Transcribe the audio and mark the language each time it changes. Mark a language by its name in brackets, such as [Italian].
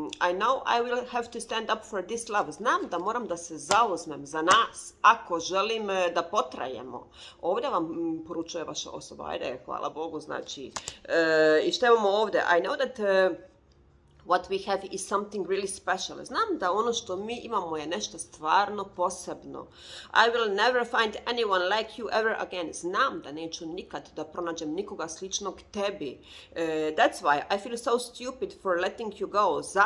[English] I know I will have to stand up for this love. [Serbian] Znam da moram da se zauzmem za nas, ako želim da potrajemo. Ovdje vam poručuje vaša osoba, ajde, hvala Bogu, znači, i što imamo ovdje? [English] I know that what we have is something really special. [Serbian] Znam da ono što mi imamo je nešto stvarno posebno. [English] I will never find anyone like you ever again. [Serbian] Znam da neću nikad da pronađem nikoga sličnog tebi. [English] That's why I feel so stupid for letting you go.